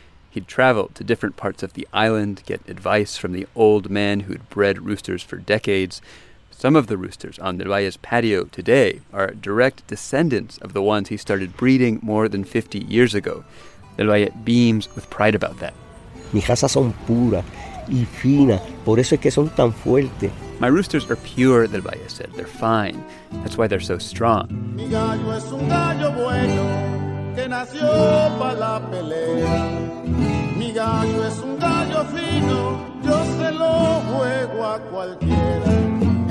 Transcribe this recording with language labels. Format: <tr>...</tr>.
<en>He'd travel to different parts of the island, get advice from the old men who'd bred roosters for decades. Some of the roosters on the Riot's patio today are direct descendants of the ones he started breeding more than 50 years ago. The Riot beams with pride about that.</en> <es>Mi raza son pura y fina, por eso es que son tan fuertes.</es> <en>My roosters are pure, the Dalia said. They're fine. That's why they're so strong.</en> <es>Mi gallo es un gallo bueno que nació para la pelea. Mi gallo es un gallo fino, yo se lo juego a cualquiera.</es>